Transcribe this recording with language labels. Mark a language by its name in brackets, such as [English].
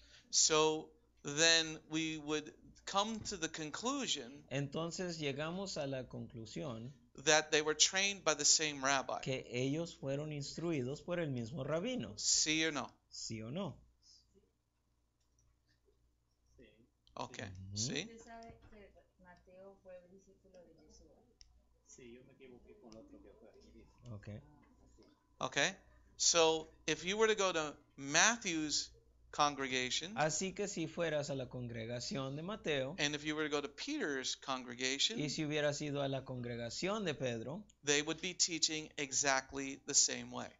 [English] So then we would come to the conclusion. [Spanish] Entonces llegamos a la conclusión. [English] That they were trained by the same rabbi. [Spanish] Que ellos fueron instruidos por el mismo rabino. Sí o no. Sí o no. Sí. Okay. Mm-hmm. Sí. ¿Usted sabe que Mateo fue el discípulo de Yeshua? Sí, yo me equivoqué con el otro que fue aquí. Okay. Okay. [English] So, if you were to go to Matthew's congregation. [Spanish] Así que si fueras a la congregación de Mateo. [English] And if you were to go to Peter's congregation. [Spanish] Y si hubieras ido a la congregación de Pedro. [English] They would be teaching exactly the same way.